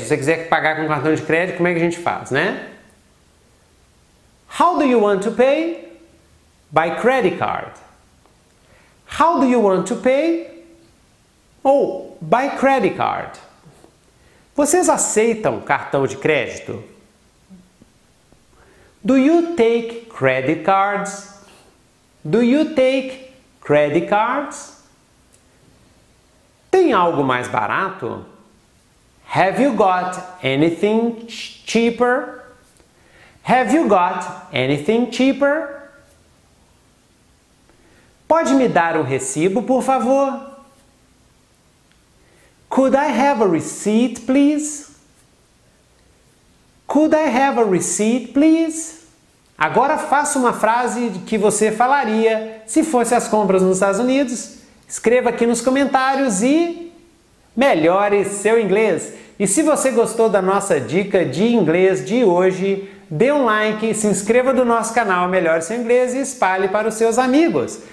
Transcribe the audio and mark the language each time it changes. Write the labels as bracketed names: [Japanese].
[Portuguese] Se você quiser pagar com cartão de crédito, como é que a gente faz, né? [English] How do you want to pay? By credit card. How do you want to pay? Oh, by credit card. [Portuguese] Vocês aceitam cartão de crédito? [English] Do you take credit cards? Do you take credit cards? [Portuguese] Tem algo mais barato? [English] Have you got anything cheaper? Have you got anything cheaper? [Portuguese] Pode me dar um recibo, por favor? [English] Could I have a receipt, please? Could I have a receipt, please? [Portuguese] Agora faça uma frase que você falaria se fosse às compras nos Estados Unidos. Escreva aqui nos comentários e melhore seu inglês. E se você gostou da nossa dica de inglês de hoje, dê um like, se inscreva no nosso canal Melhore Seu Inglês e espalhe para os seus amigos.